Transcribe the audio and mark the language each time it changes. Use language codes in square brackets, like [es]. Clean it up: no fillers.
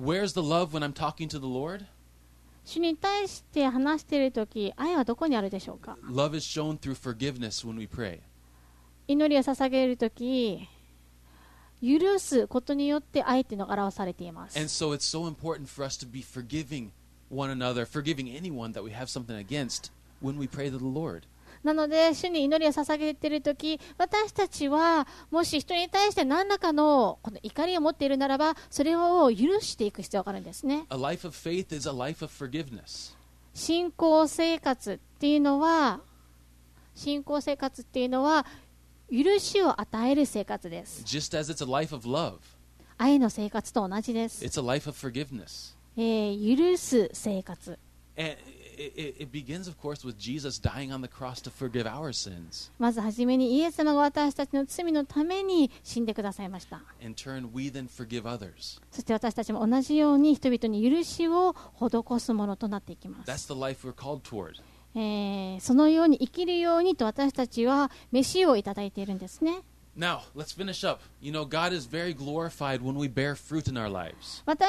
[en] Where's the love when I'm talking to the Lord? [ja] 主に対して話しているとき、愛はどこにあるでしょうか? [en] Love is shown through forgiveness when we pray. [ja] 祈りを捧げるとき、許すことによって愛というのが表されています。 [en] And so it's so important for us to be forgiving one another, forgiving anyone that we have something against when we pray to the Lord. [ja] なので、主に祈りを捧げているとき、私たちはもし人に対して何らか この怒りを持っているならば、それを許していく必要があるんですね。 [en] A life of faith is a life of forgiveness. [ja] 信仰生活っていうのは、信仰生活っていうのは許しを与える生活です。 [en] Just as it's a life of love, [ja] 愛の生活と同じです。 [en] It's a life of forgiveness. [ja] 許す生活。 [en] And it begins, of course, with Jesus dying on the cross to forgive our sins. [ja] まずはじめにイエス様が私たちの罪のために死んでくださいました。 [en] In turn, we then forgive others. [ja] そして私たちも同じように人々に許しを施すものとなっていきます。 [en] That's the life we're called toward. [ja] そのように生きるようにと私たちは召しをいただいているんですね。 [en] Now, let's finish up. You know, God is very glorified when we bear fruit in our lives.